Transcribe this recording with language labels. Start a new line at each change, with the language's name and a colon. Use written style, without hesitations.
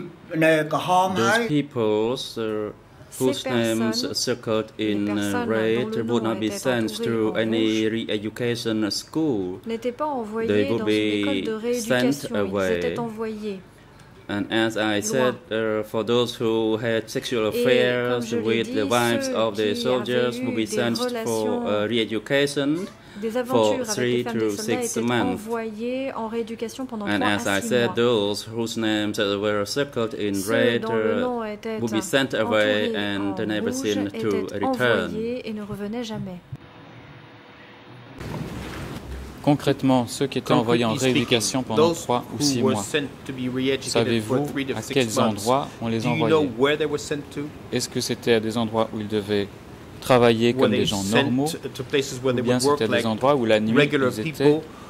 English: Those peoples whose names circled in red would not be sent through any re-education school. They would be sent away. And as I said, for those who had sexual affairs with the wives of the soldiers would be sent for re-education.
French: Des aventures avec les femmes des soldats étaient envoyées en rééducation pendant 3 à 6 mois.
English: And as I said, those whose names were circled in red would be sent away and never seen to return.
French: Et ne revenaient jamais. Concrètement, ceux qui étaient envoyés en rééducation pendant 3 ou 6 mois, savez-vous à quels endroits on les envoyait? Est-ce que c'était à des endroits où ils devaient travailler comme des gens normaux, ou bien c'était des endroits où la nuit ils étaient détenus?